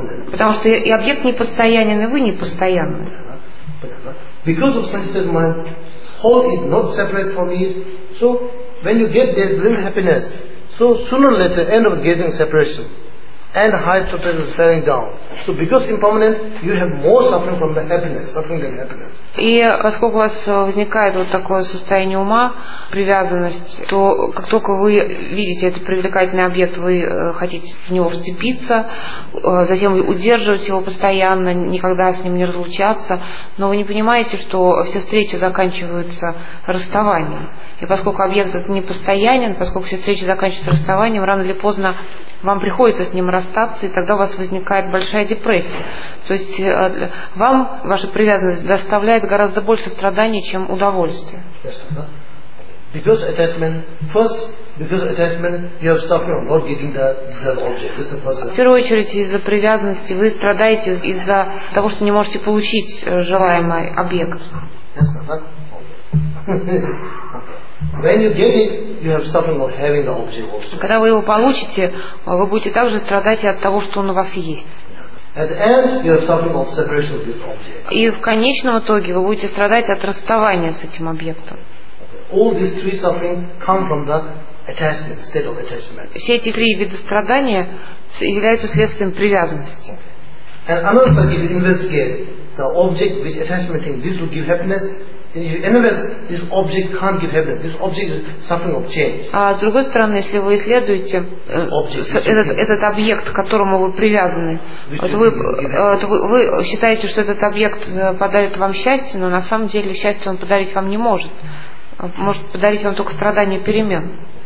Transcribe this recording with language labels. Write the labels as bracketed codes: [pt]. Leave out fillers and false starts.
[ru] Потому что и объект непостоянен, и вы непостоянны. [en] Because of such state of mind, hold it, not separate from it. So when you get this little happiness, so sooner or later end up getting separation. And high total is falling down. So because impermanent, you have more suffering from the happiness, suffering than happiness. [ru] И поскольку у вас возникает вот такое состояние ума, привязанность, то как только вы видите этот привлекательный объект, вы хотите в него вцепиться, затем удерживать его постоянно, никогда с ним не разлучаться, но вы не понимаете, что все встречи заканчиваются расставанием. И поскольку объект этот непостоянен, поскольку все встречи заканчиваются расставанием, рано или поздно вам приходится с ним расстаться, и тогда у вас возникает большая депрессия. То есть вам ваша привязанность доставляет гораздо больше страданий, чем удовольствия. [en] Because attachment, first, because attachment, you have suffering not getting the desired object. This is the first. [ru] В первую очередь из-за привязанности вы страдаете из-за того, что не можете получить желаемый объект. [en] When you get it, you have suffering not having the object also. [ru] Когда вы его получите, вы будете также страдать и от того, что он у вас есть. [en] At the end, you have suffering of separation of this object. [ru] И в конечном итоге вы будете страдать от расставания с этим объектом. [en] All these three suffering come from the attachment, state of attachment. [ru] Все эти три вида страдания являются следствием привязанности. [en] And another side, if you investigate the object which attachment thinks this will give happiness, then if you analyze this object can't give happiness. This object is suffering of change. [ru] А с другой стороны, если вы исследуете этот объект, к которому вы привязаны, вы считаете, что этот объект подарит вам счастье, но на самом деле счастье он подарить вам не может. Может подарить вам только страдания перемен.